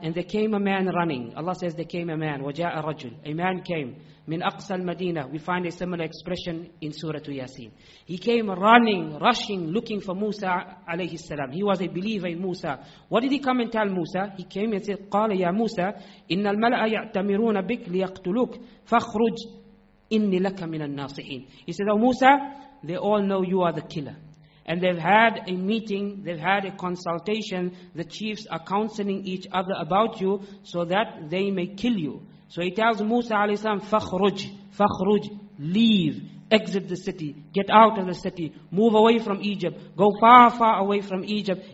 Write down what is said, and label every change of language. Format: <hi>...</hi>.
<en>And there came a man running. Allah says there came a man.</en> <ar>وَجَاءَ رَجُلٌ.</ar> <en>A man came.</en> <ar>مِّنْ أَقْصَى الْمَدِينَةِ.</ar> <en>We find a similar expression in Surah Yasin. He came running, rushing, looking for Musa alayhi salam. He was a believer in Musa. What did he come and tell Musa? He came and said,</en> <ar>قَالَ يَا مُوسَى إِنَّ الْمَلَأَ يَعْتَمِرُونَ بِكَ لِيَقْتُلُوكَ فَاخْرُجْ إِنِّي لَكَ مِنَ النَّاصِحِينَ.</ar> <en>He said, "Oh Musa, they all know you are the killer. And they've had a meeting, they've had a consultation, the chiefs are counseling each other about you so that they may kill you." So he tells Musa alayhi salam, "Fakhruj, fakhruj, leave, exit the city, get out of the city, move away from Egypt, go far, far away from Egypt.</en>